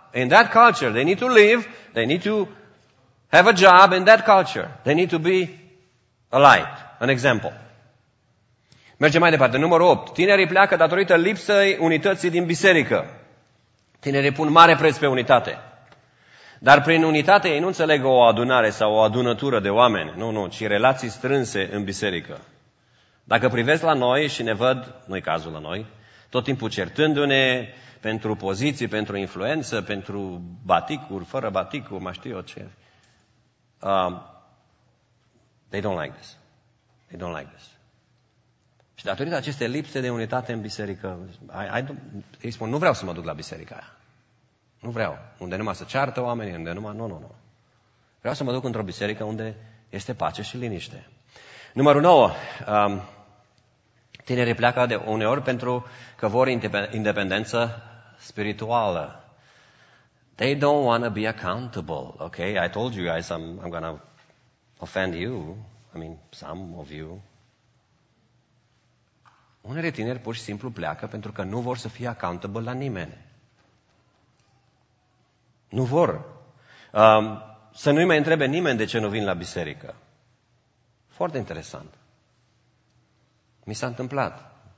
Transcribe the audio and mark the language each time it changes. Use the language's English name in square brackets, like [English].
[English] In that culture, they need to live, they need to have a job in that culture. They need to be a light, an example. [Romanian] Mergem mai departe. Numărul 8. Tinerii pleacă datorită lipsei unității din biserică. Tinerii pun mare preț pe unitate. Dar prin unitate ei nu înțeleg o adunare sau o adunătură de oameni. Nu, nu, ci relații strânse în biserică. Dacă privesc la noi și ne văd, nu-i cazul la noi, tot timpul certându-ne pentru poziții, pentru influență, pentru baticuri, fără baticuri, mai știu eu ce. [English] They don't like this. [Romanian] They don't like this. Și datorită acestei lipse de unitate în biserică, îi spun, nu vreau să mă duc la biserica aia. Nu vreau. Unde numai să ceartă oamenii, unde numai, nu, nu, nu. Vreau să mă duc într-o biserică unde este pace și liniște. Numărul 9. Tinerii pleacă de uneori pentru că vor independență spirituală. [English] They don't want to be accountable, okay? I told you guys I'm going to offend you. I mean, some of you. [Romanian] Unele tineri pur și simplu pleacă pentru că nu vor să fie accountable la nimeni. Nu vor. Să nu-i mai întrebe nimeni de ce nu vin la biserică. Foarte interesant. Mi s-a întâmplat.